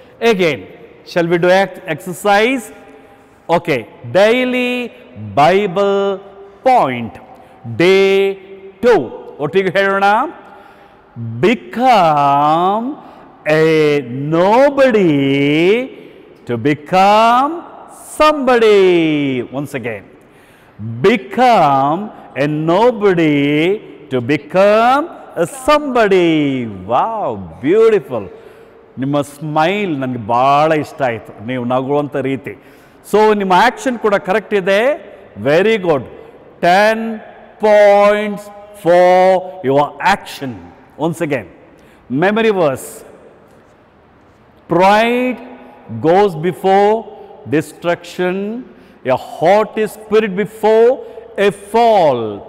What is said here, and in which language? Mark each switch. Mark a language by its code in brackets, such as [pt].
[en] Again, shall we do exercise? Okay, daily Bible point Day 2. [kn] ಒಟ್ಟಿಗೆ ಹೇಳೋಣ, [en] Become a nobody to become somebody. Once again, become a nobody to become a somebody. Wow, beautiful. [kn] ನಿಮ್ಮ smile ನನಗೆ ಭಾಳ ಇಷ್ಟ ಆಯಿತು, ನೀವು ನಗುವಂಥ ರೀತಿ. [en] so [kn] ನಿಮ್ಮ ಆ್ಯಕ್ಷನ್ ಕೂಡ ಕರೆಕ್ಟ್ ಇದೆ, [en] Very good. 10 points for your action. Once again, memory verse, pride goes before destruction, a haughty spirit before a fall.